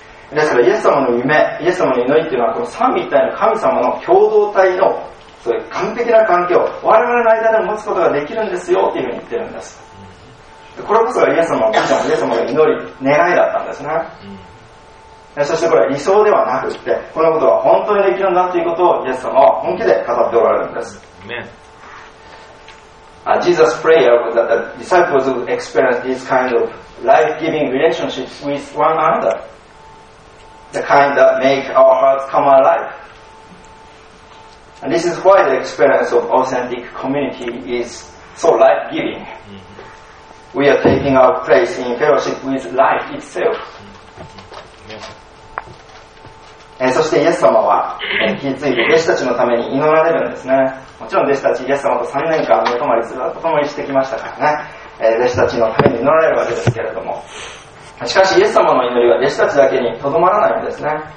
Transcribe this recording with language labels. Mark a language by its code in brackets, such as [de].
[ja] ですからイエス様の夢、イエス様の祈りというのは、この三位一体の神様の共同体のそういう完璧な関係を我々の間で持つことができるんですよというふうに言ってるんです。これこそがイエス様の、私たちイエス様の祈り、願いだったんですね。そしてこれは理想ではなくって、このことは本当にできるんだということをイエス様は本気で語っておられるんです。 [en] Jesus' prayer was that the disciples would experience this kind of life-giving relationships with one another. The kind that make our hearts come alive. And this is why the experience of authentic community is so life-giving. We are taking our place in fellowship with life itself. [ja] そしてイエス様は引き継いで弟子たちのために祈られるんですね。もちろん弟子たちイエス様と3年間寝泊まりすることもしてきましたからね、弟子たちのために祈られるわけですけれども、しかしイエス様の祈りは弟子たちだけにとどまらないんですね。